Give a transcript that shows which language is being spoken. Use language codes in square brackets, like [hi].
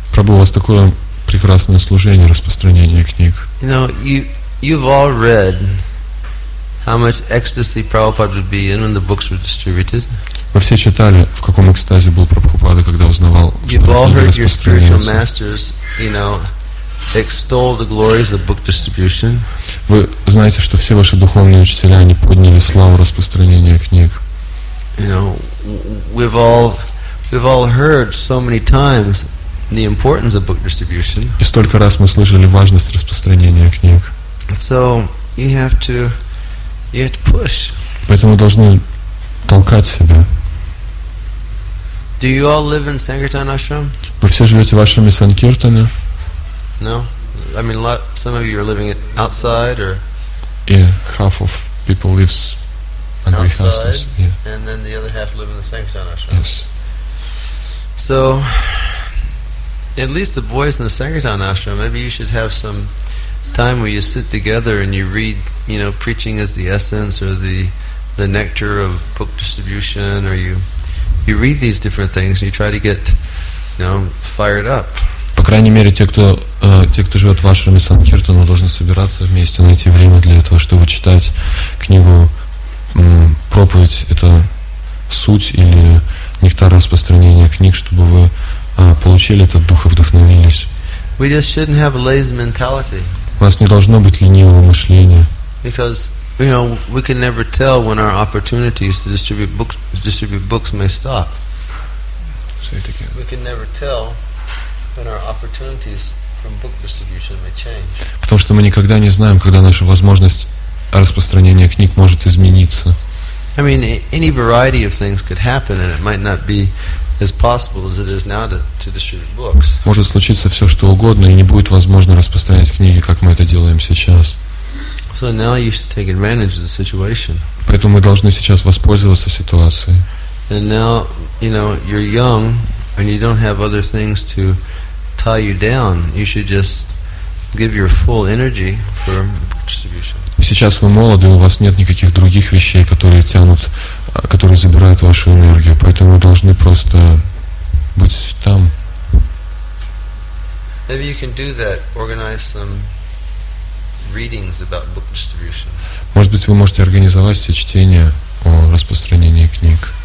[ru] Prabhu, у вас такое прекрасное служение распространения книг. [en] You know, you've all read how much ecstasy Prabhupada would be in when the books were distributed. [ru] Вы все читали, в каком экстазе был Прабхупада, когда узнавал, что книги распространяются. [en] You've all heard your spiritual masters, you know, extol the glories of book distribution. [ru] Вы знаете, что все ваши духовные учителя, они подняли славу распространения книг. [en] You know, we've all heard so many times the importance of book distribution. [ru] И столько раз мы слышали важность распространения книг. [en] So you have to push. [ru] Поэтому вы должны толкать себя. [en] Do you all live in Sankirtan ashram? [ru] Вы все живете вашими санкиртами? [en] No, I mean, some of you are living outside, or yeah, half of people lives. Outside, and then the other half live in the Sankirtan ashram. Yes. So, at least the boys in the Sankirtan ashram, maybe you should have some time where you sit together and you read, you know, preaching is the essence, or the nectar of book distribution, or you read these different things and you try to get, you know, fired up. [ru] По крайней мере, те, кто живет в ашраме Санкиртана, должны собираться вместе, найти время для этого, чтобы читать книгу. Проповедь — это суть или нектар распространения книг, чтобы вы получили этот дух и вдохновились. [en] We just shouldn't have a lazy mentality. [ru] У нас не должно быть ленивого мышления. [en] Because, you know, we can never tell when our opportunities to distribute books may stop. Say it again. We can never tell when our opportunities from book distribution may change. [ru] Потому что мы никогда не знаем, когда наша возможность распространение книг может измениться. [en] I mean, any variety of things could happen, and it might not be as possible as it is now to distribute books. [ru] Может случиться все что угодно, и не будет возможно распространять книги, как мы это делаем сейчас. [en] So now you should take advantage of the situation. [ru] Поэтому мы должны сейчас воспользоваться ситуацией. [en] And now, you know, you're young, and you don't have other things to tie you down. You should just give your full energy for book distribution. [ru] Сейчас вы молоды, у вас нет никаких других вещей, которые тянут, которые забирают вашу энергию, поэтому вы должны просто быть там. [en] Maybe you can do that, organize some readings about book distribution. [ru] Может быть, вы можете организовать все чтения о распространении книг.